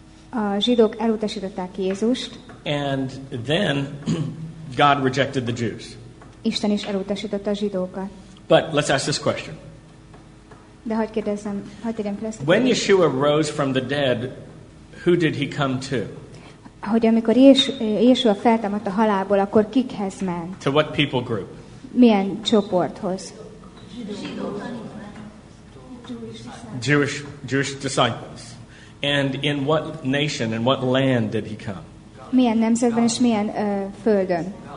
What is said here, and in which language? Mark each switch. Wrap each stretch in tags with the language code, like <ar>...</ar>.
<hu>A zsidók elutasították Jézust.</hu> <en>And then God rejected the Jews.</en> <hu>Isten is elutasította a zsidókat.</hu> <en>But let's ask this question.</en> <hu>De hogy kérdezzem, hogy tegyem fel ezt a kérdést.</hu> <en>When Yeshua rose from the dead, who did he come to?</en> <hu>Hogy amikor Yeshua feltámadt a halálból, akkor kikhez ment?</hu> <en>To what people group?</en> <hu>Milyen csoporthoz?</hu> <en>Jewish disciples. And in what nation and what land did he come?</en> <hu>Milyen nemzetben és milyen földön?</hu>